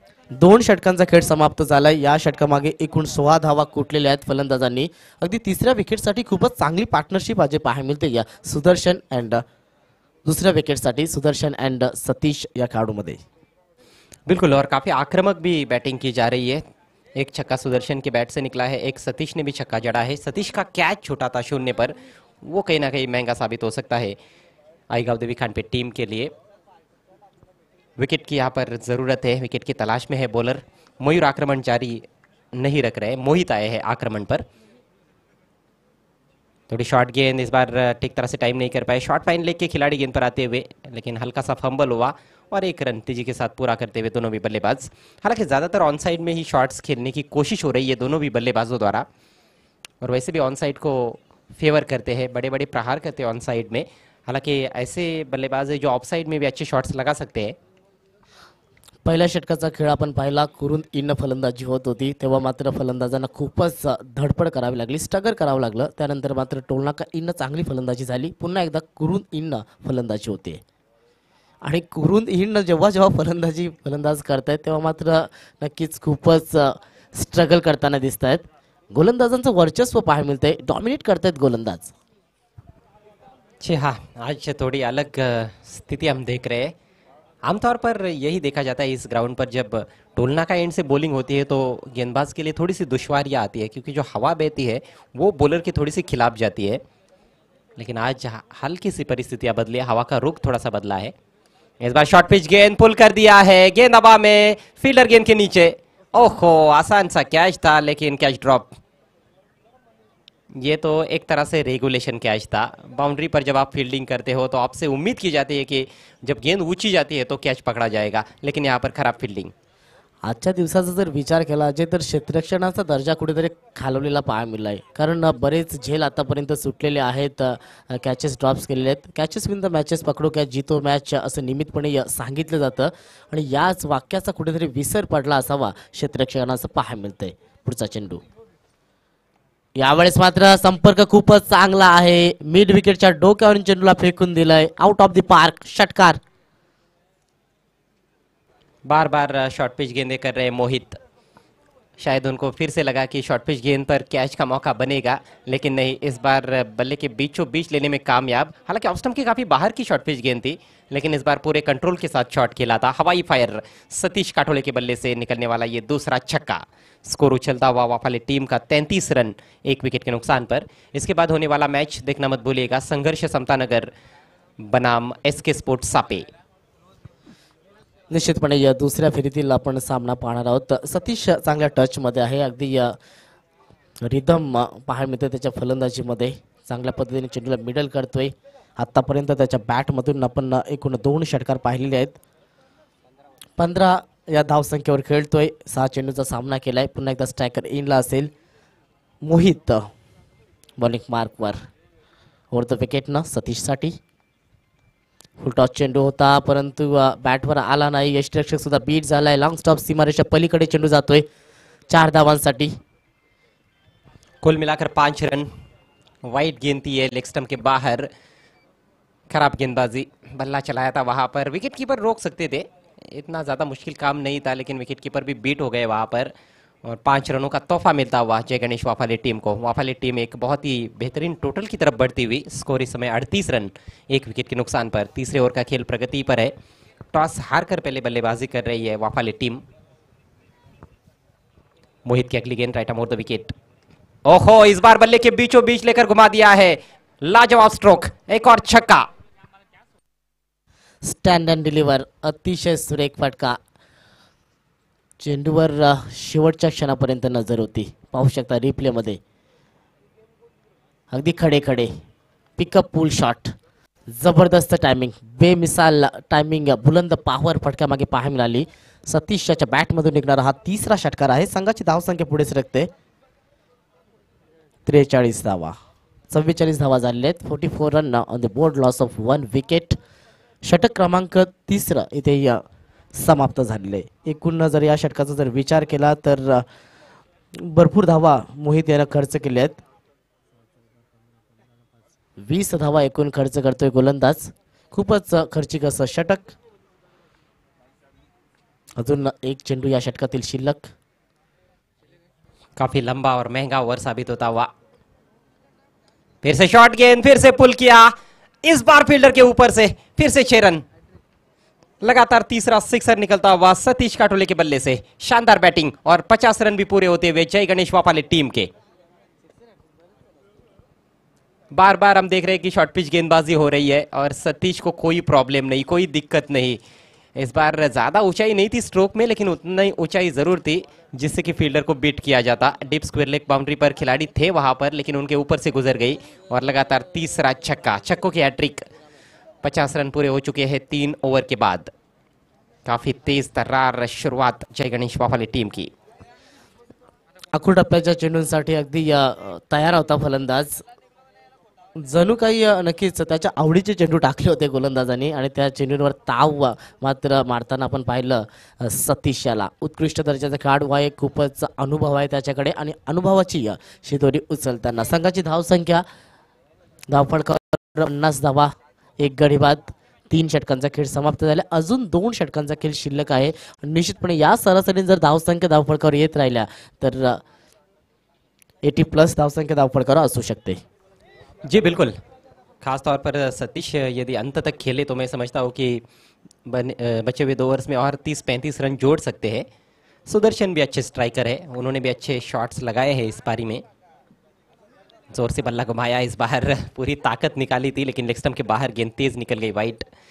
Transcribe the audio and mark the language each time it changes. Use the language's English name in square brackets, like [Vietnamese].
[Marathi] दोन षटकांचा खेळ समाप्त झालाय, या षटकामागे एकूण 16 धावा कुठलेल्या आहेत फलंदाजांनी। अगदी तिसऱ्या विकेटसाठी खूपच चांगली पार्टनरशिप आज पाहायला मिळते या सुदर्शन अँड दुसऱ्या विकेटसाठी सुदर्शन अँड सतीश या खेळाडूमध्ये। [Hindi] बिल्कुल, और काफी आक्रमक भी बॅटिंग की जा रही है। एक छक्का सुदर्शन के बैट से निकला है, एक सतीश ने भी छक्का जड़ा है। सतीश का कैच छोटा था शून्य पर, वो कहीं ना कहीं महंगा साबित हो सकता है आईगाव देवी खांडपे टीम के लिए। विकेट की यहाँ पर ज़रूरत है, विकेट की तलाश में है बॉलर। मयूर आक्रमण जारी नहीं रख रहे, मोहित आए हैं आक्रमण पर। थोड़ी शॉर्ट गेंद इस बार ठीक तरह से टाइम नहीं कर पाए, शॉर्ट फाइन लेके खिलाड़ी गेंद पर आते हुए, लेकिन हल्का सा फंबल हुआ और एक रन तेजी के साथ पूरा करते हुए दोनों भी बल्लेबाज। हालांकि ज़्यादातर ऑन साइड में ही शॉट्स खेलने की कोशिश हो रही है दोनों भी बल्लेबाजों द्वारा, और वैसे भी ऑन साइड को फेवर करते हैं, बड़े बड़े प्रहार करते हैं ऑन साइड में। हालांकि ऐसे बल्लेबाज है जो ऑफ साइड में भी अच्छे शॉट्स लगा सकते हैं। [Marathi] पहिल्या षटकाचा खेळ आपण पाहिला, कुरुंद इन फलंदाजी होत होती तेव्हा मात्र फलंदाजांना खूपच धडपड करावी लागली, स्टगर करावं लागलं, त्यानंतर मात्र टोलनाका इन चांगली फलंदाजी झाली, पुन्हा एकदा कुरुंद इन फलंदाजी होते। आणि कुरुंद इन जेव्हा जेव्हा फलंदाजी फलंदाज करतायत तेव्हा मात्र नक्कीच खूपच स्ट्रगल करताना दिसतायत, गोलंदाजांचं वर्चस्व पाहायला मिळतंय, डॉमिनेट करतायत गोलंदाज। [Hindi] हा, आज थोडी अलग स्थिती हम देख रहे। आमतौर पर यही देखा जाता है इस ग्राउंड पर, जब टोलना का एंड से बॉलिंग होती है तो गेंदबाज के लिए थोड़ी सी दुश्वारियाँ आती है, क्योंकि जो हवा बहती है वो बॉलर की थोड़ी सी खिलाफ जाती है। लेकिन आज हल्की सी परिस्थितियाँ बदली है, हवा का रुख थोड़ा सा बदला है। इस बार शॉर्ट पिच गेंद पुल कर दिया है, गेंद हवा में, फील्डर गेंद के नीचे, ओहो आसान सा कैच था लेकिन कैच ड्रॉप। ये तो एक तरह से रेगुलेशन कैच था, बाउंड्री पर जब आप फील्डिंग करते हो तो आपसे उम्मीद की जाती है कि जब गेंद ऊंची जाती है तो कैच पकड़ा जाएगा, लेकिन यहाँ पर खराब फील्डिंग। [Marathi] आजच्या दिवसाचा जर विचार केला जे तर क्षेत्ररक्षणाचा दर्जा कुठेतरी खालवलेला पाहायला मिळाला आहे, कारण बरेच झेल आतापर्यंत सुटलेले आहेत, कॅचेस ड्रॉप्स केलेले आहेत। [English] catches win the matches, [Hindi] पकडो catch जितो मॅच [Marathi] असं नियमितपणे सांगितलं जातं, आणि याच वाक्याचा कुठेतरी विसर पडला असावा क्षेत्ररक्षणाचं पाहायला मिळतंय। पुढचा चेंडू यावेळेस मात्र संपर्क खूपच चांगला आहे, मिड विकेटच्या डोक्यावरून चेंडूला फेकून दिलाय, [English] out of the park [Marathi] षटकार। [Hindi] बार बार शॉर्ट पिच गेंदे कर रहे मोहित, शायद उनको फिर से लगा कि शॉर्ट पिच गेंद पर कैच का मौका बनेगा, लेकिन नहीं, इस बार बल्ले के बीचों बीच लेने में कामयाब। हालांकि ऑफ स्टंप के काफी बाहर की शॉर्ट पिच गेंद थी, लेकिन इस बार पूरे कंट्रोल के साथ शॉट खेला था। हवाई फायर सतीश काठोले के बल्ले से निकलने वाला ये दूसरा छक्का, स्कोर उछलता हुआ वाफाले टीम का 33 रन एक विकेट के नुकसान पर। इसके बाद होने वाला मैच देखना मत भूलिएगा, संघर्ष समता नगर बनाम SK स्पोर्ट्स सापे। [Marathi] निश्चितपणे या दुसऱ्या फेरीतील आपण सामना पाहणार आहोत। सतीश चांगल्या टचमध्ये आहे, अगदी रिदम पाहायला मिळतं त्याच्या फलंदाजीमध्ये, चांगल्या पद्धतीने चेंडूला मिडल करतोय। आत्तापर्यंत त्याच्या बॅटमधून आपण एकूण 2 षटकार पाहिलेले आहेत, 15 या धावसंख्येवर खेळतोय, 6 चेंडूचा सामना केलाय। पुन्हा एकदा स्ट्रायकर इनला असेल Mohit bowling मार्कवर, over the wicket ना सतीशसाठी, फुल टॉस चेंडू होता परंतु बॅटवर आला नाही, यष्टीरक्षक सुद्धा बीट झालाय, लॉंग स्टॉप सीमारेषा पलीकडे चेंडू जातोय 4 धावांसाठी। [Hindi] कुल मिलाकर 5 रन, वाइट गेंदती है लेग स्टंप के बाहर, खराब गेंदबाजी, बल्ला चलाया था वहां पर, विकेट कीपर रोक सकते थे, इतना ज्यादा मुश्किल काम नहीं था, लेकिन विकेट कीपर भी बीट हो गए वहां पर, और पांच रनों का तोहफा मिलता हुआ जय गणेश वाफाले टीम को। वाफाले टीम एक बहुत ही बेहतरीन टोटल की तरफ बढ़ती हुई, स्कोर इस समय 38 रन एक विकेट के नुकसान पर। तीसरे ओवर का खेल प्रगति पर है, टॉस हार कर पहले बल्लेबाजी कर रही है वाफाले टीम। मोहित की अगली गेंद राइट अमोर द विकेट, ओहो इस बार बल्ले के बीचों बीच लेकर घुमा दिया है, लाजवाब स्ट्रोक, एक और छक्का, [English] stand and deliver, [Marathi] अतिशय सुरेख फटका। चेंडूवर शेवटच्या क्षणापर्यंत नजर होती, पाहू शकता रिप्ले मध्ये अगदी खडे खडे पिकअप पूल शॉट, जबरदस्त टायमिंग, बेमिसाल टायमिंग, बुलंद पावर फटक्या मागे पाहाय मिळाली। सतीशच्या बॅट मधून निघणारा हा तिसरा षटकार आहे, संघाची धावसंख्या पुढे सरकते 43 धावा, 44 धावा झालेत, [English] 44 run on the board, loss of one wicket, [Marathi] षटक क्रमांक तिसरं इथे समाप्त झालेलं आहे। एकूण जर या षटकाचा जर विचार केला तर भरपूर धावा मोहित यानं खर्च केले आहेत, 20 धावा एकूण खर्च करतोय गोलंदाज, खूपच खर्चिक असं षटक। अजून एक चेंडू या षटकातील शिल्लक, [Hindi] काफी लंबा और महंगा ओवर साबित होता हुआ। फिर से शॉट गेंद, फिर से पुल किया, इस बार फील्डर के ऊपर से, फिर से 6 रन, लगातार तीसरा सिक्सर निकलता हुआ सतीश काटोले के बल्ले से, शानदार बैटिंग और 50 रन भी पूरे होते हुए जय गणेश वाफाले टीम के। बार बार हम देख रहे हैं कि शॉर्ट पिच गेंदबाजी हो रही है और सतीश को कोई प्रॉब्लम नहीं, कोई दिक्कत नहीं। इस बार ज्यादा ऊंचाई नहीं थी स्ट्रोक में, लेकिन उतना ही ऊंचाई जरूर थी जिससे कि फील्डर को बीट किया जाता। डीप स्क्वायर लेग बाउंड्री पर खिलाड़ी थे वहां पर, लेकिन उनके ऊपर से गुजर गई और लगातार तीसरा छक्का, छक्कों की हैट्रिक, 50 रन पूरे हो चुके हैं 3 ओवर के बाद। काफी तेज तर्रार शुरुआत जय गणेश वाफाले टीम की। [Marathi] अखुट टप्प्याच्या चेंडूंसाठी अगदी तयार होता फलंदाज, जणू काही नक्कीच त्याच्या आवडीचे चेंडू टाकले होते गोलंदाजांनी आणि त्या चेंडूंवर ताव मात्र मारताना आपण पाहिलं सतीश याला। उत्कृष्ट दर्जाचा खेळाडू आहे, खूपच अनुभव आहे त्याच्याकडे आणि अनुभवाची शिदोरी उचलताना। संघाची धावसंख्या, धावफळकावर 50 धावा एक गडी बाद, 3 षटकांचा खेळ समाप्त झाला, अजून 2 षटकांचा खेळ शिल्लक आहे। निश्चितपणे या सरासरीने जर धावसंख्या धावफळकावर येत राहिल्या तर 80+ धावसंख्या धावफळकावर असू शकते। [Hindi] जी बिल्कुल, खास तौर पर सतीश यदि अंत तक खेले तो मैं समझता हूँ कि बचे हुए 2 ओवर्स में और 30-35 रन जोड़ सकते हैं। सुदर्शन भी अच्छे स्ट्राइकर है, उन्होंने भी अच्छे शॉट्स लगाए हैं इस पारी में, जोर से बल्ला घुमाया इस बार, पूरी ताकत निकाली थी लेकिन लेग स्टंप के बाहर गेंद तेज निकल गई वाइट।